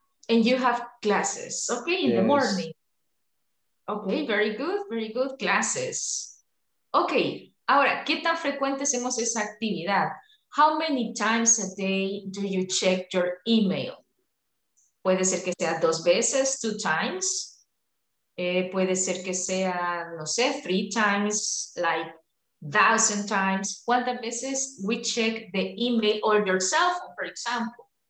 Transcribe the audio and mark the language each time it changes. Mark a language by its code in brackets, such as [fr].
[en] And you have classes, okay, in the morning. Okay, very good, classes. [es] Okay, ahora, ¿qué tan frecuente hacemos esa actividad? [en] How many times a day do you check your email? [es] Puede ser que sea dos veces, [en] two times. [es] Puede ser que sea, no sé, [en] three times, like 1,000 times. [es] ¿Cuántas veces [en] we check the email or your cell phone, for example?